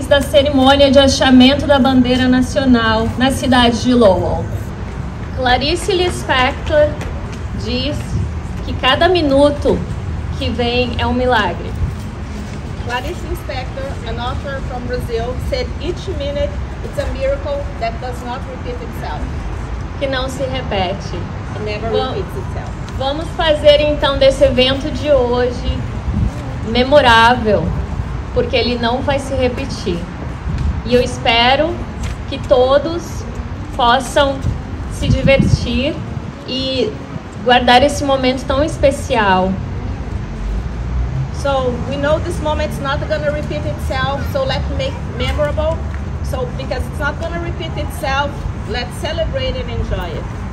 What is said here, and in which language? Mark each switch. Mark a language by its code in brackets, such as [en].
[pt] Cerimônia de achamento da bandeira nacional na cidade de Lowell. Clarice Lispector diz que cada minuto que vem é um milagre. [en] Clarice Lispector, an author from Brazil, said each minute it's a miracle that does not repeat itself. [pt] Que não se repete. [en] It never repeats itself. [pt] Vamos fazer então desse evento de hoje memorável, porque ele não vai se repetir. E eu espero que todos possam se divertir e guardar esse momento tão especial. [en] So, we know this moment is not going to repeat itself, so let's make it memorable. So, because it's not going to repeat itself, let's celebrate and enjoy it.